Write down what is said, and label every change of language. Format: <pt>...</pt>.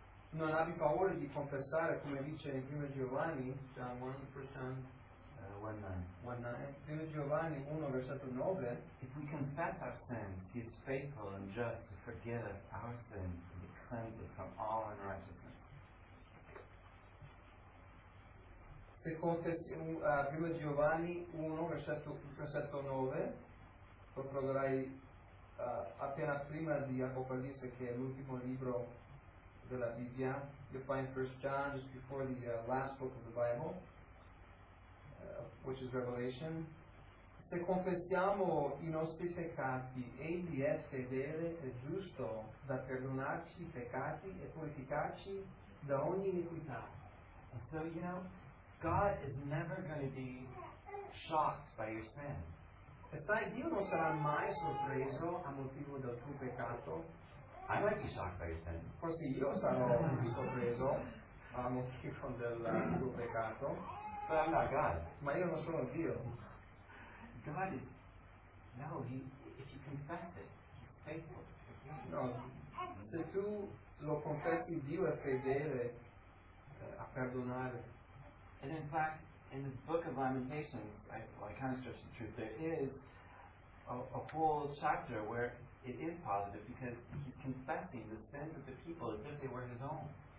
<it>Non avi paura di confessare, come dice in 1 Giovanni, John 1:9.</it> <en>If we confess our sins, he is faithful and just to forgive us our sins. From all unrighteousness.</en> <it>Se confessi, primo Giovanni 1, versetto 9, lo troverai appena prima di Apocalisse, che è l'ultimo libro della Bibbia.</it> <en>You'll find 1 John just before the last book of the Bible, which is Revelation.</en> <it>Se confessiamo i nostri peccati, egli è fedele e giusto da perdonarci i peccati e purificarci da ogni iniquità.</it> <en>And so, you know, God is never going to be shocked by your sin.</en> <it>E sai, Dio non sarà mai sorpreso a motivo del tuo peccato.</it> <en>I might be shocked by your sin.</en> <it>Forse io sarò sorpreso a motivo del tuo peccato.</it> <en>But I'm not God.</en> <it>Ma io non sono Dio.</it> <en>God is, no, if you confess it, he's faithful.</en> <it>No, se tu lo confessi, Dio è fedele a perdonare.</it> <en>And in fact, in the book of Lamentations, I kind of stretch the truth, there is a whole chapter where it is positive because he's confessing the sins of the people as if they were his own.</en>